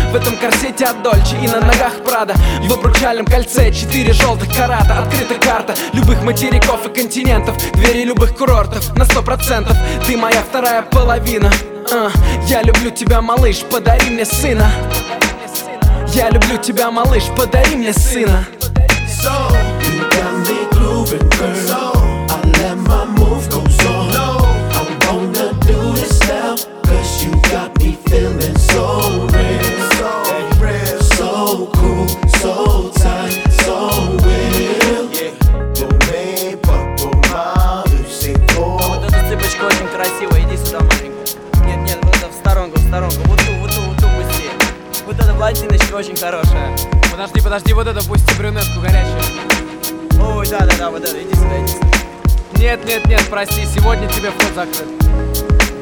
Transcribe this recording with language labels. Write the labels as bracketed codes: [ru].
[ru] В этом корсете от Дольче и на ногах Прада. В обручальном кольце 4 желтых карата. Открыта карта любых материков и континентов. Двери любых курортов на 100%. Ты моя вторая половина. Я люблю тебя, малыш, подари мне сына. Я люблю тебя, малыш, подари мне сына. [en] So, you got me grooving, girl. So, I let my move go solo. I'm gonna do this now, cause you got me feeling so real. So real. So cool, so tight, so real. Yeah, [fr] pour mes potes, pour ma rue, c'est toi. [ru] А вот эта цепочка очень красивая, иди сюда, маленькая. Нет, нет, вот это в сторонку, в сторонку. Вот ту, вот ту, вот ту пусти. Вот эта блондиночка очень хорошая. Подожди, подожди, вот это пусти, брюнетку горячую. Ой, да-да-да, вот это, иди сюда, иди сюда. Нет-нет-нет, прости, сегодня тебе вход закрыт.